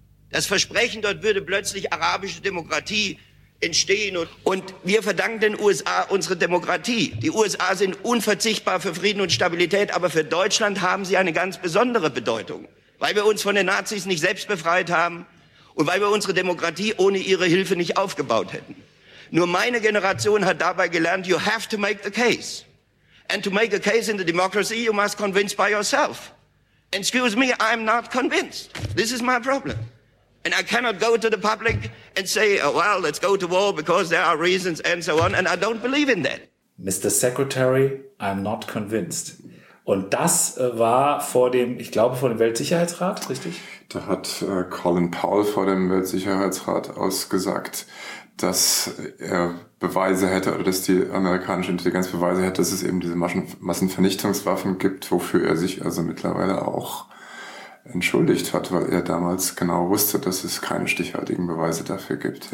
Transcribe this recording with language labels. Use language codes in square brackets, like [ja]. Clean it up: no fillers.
[de] Das Versprechen, dort würde plötzlich arabische Demokratie entstehen. Und wir verdanken den USA unsere Demokratie. Die USA sind unverzichtbar für Frieden und Stabilität, aber für Deutschland haben sie eine ganz besondere Bedeutung, weil wir uns von den Nazis nicht selbst befreit haben und weil wir unsere Demokratie ohne ihre Hilfe nicht aufgebaut hätten. Nur meine Generation hat dabei gelernt, [en] you have to make the case. And to make a case in the democracy, you must convince by yourself. Excuse me, I'm not convinced. This is my problem. And I cannot go to the public and say, oh, well, let's go to war because there are reasons and so on. And I don't believe in that. Mr. Secretary, I'm not convinced. [de] Und das war vor dem, ich glaube, vor dem Weltsicherheitsrat, richtig? Da hat Colin Powell vor dem Weltsicherheitsrat ausgesagt, dass er Beweise hätte oder dass die amerikanische Intelligenz Beweise hätte, dass es eben diese Massenvernichtungswaffen gibt, wofür er sich also mittlerweile auch entschuldigt hat, weil er damals genau wusste, dass es keine stichhaltigen Beweise dafür gibt.